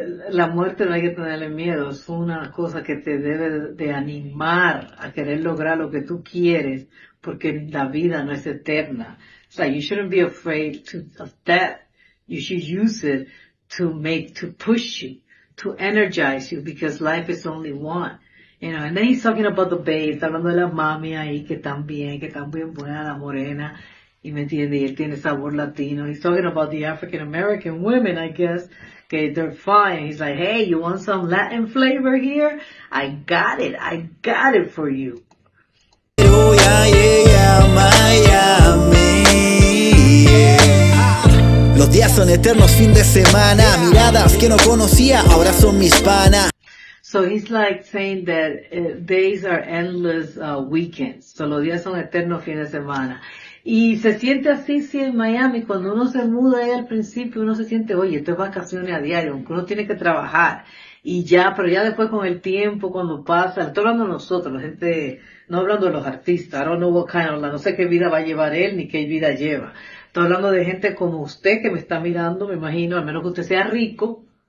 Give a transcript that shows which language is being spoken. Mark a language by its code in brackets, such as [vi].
[es] La muerte no hay que tenerle miedo, es una cosa que te debe de animar a querer lograr lo que tú quieres, porque la vida no es eterna. [en] So you shouldn't be afraid of death. You should use it to push you, to energize you, because life is only one. You know, and then he's talking about the babe, [es] está hablando de las mami ahí que están bien buenas, la morena, y me entiende, y él tiene sabor latino. [en] He's talking about the African American women, I guess. Okay, they're fine. He's like, hey, you want some Latin flavor here? I got it for you. Oh, yeah, yeah, yeah, Miami. [es] Los días son eternos, fin de semana. Miradas que no conocía, ahora son mis panas. [en] So he's like saying that days are endless weekends. [es] So los días son eternos, fin de semana. Y se siente así, sí, en Miami, cuando uno se muda ahí al principio, uno se siente, oye, esto es vacaciones a diario, uno tiene que trabajar, y ya, pero ya después con el tiempo, cuando pasa, estoy hablando de nosotros, la gente, no hablando de los artistas, [en] I don't know what kind of, [es] no sé qué vida va a llevar él, ni qué vida lleva, estoy hablando de gente como usted que me está mirando, me imagino, al menos que usted sea rico,